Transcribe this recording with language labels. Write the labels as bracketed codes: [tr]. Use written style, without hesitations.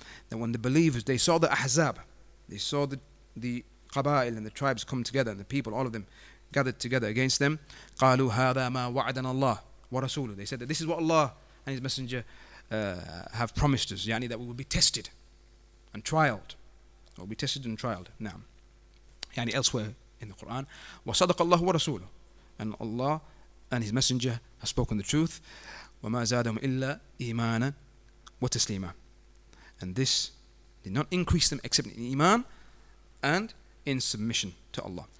[en] That when the believers, they saw the أحزاب, they saw the قبائل and the tribes come together, and the people, all of them, gathered together against them. [ar] قالوا هذا ما وعدنا الله ورسوله. [en] They said that this is what Allah and His Messenger have promised us. يعني that we will be tested and trialed. We'll be tested and trialed. نعم. يعني elsewhere in the Quran. [ar] وصدق الله ورسوله. [en] And Allah and His Messenger have spoken the truth. [ar] وما زادهم إلا إيمانا وتسليما. [en] And this did not increase them except in إيمان and in submission to Allah.